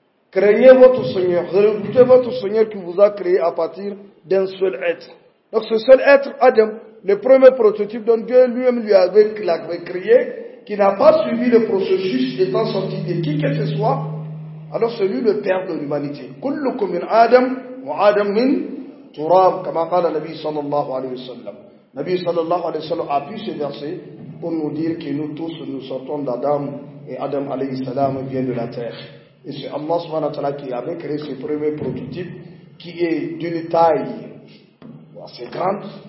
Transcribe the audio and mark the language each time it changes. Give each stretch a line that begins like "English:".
French: Craignez votre Seigneur, redoutez votre Seigneur qui vous a créé à partir d'un seul être. Donc ce seul être, Adam, le premier prototype dont Dieu lui-même lui avait créé, qui n'a pas suivi le processus étant sorti de qui que ce soit, alors c'est lui le père de l'humanité.
Arabic: كلكم من آدم وآدم من تراب كما قال النبي صلى الله عليه وسلم. النبي صلى الله عليه وسلم
French: a pu ce verset pour nous dire que nous tous nous sortons d'Adam et Adam alayhi salam vient de la terre. Et c'est Allah subhanahu wa ta'ala qui avait créé ce premier prototype qui est d'une taille assez grande.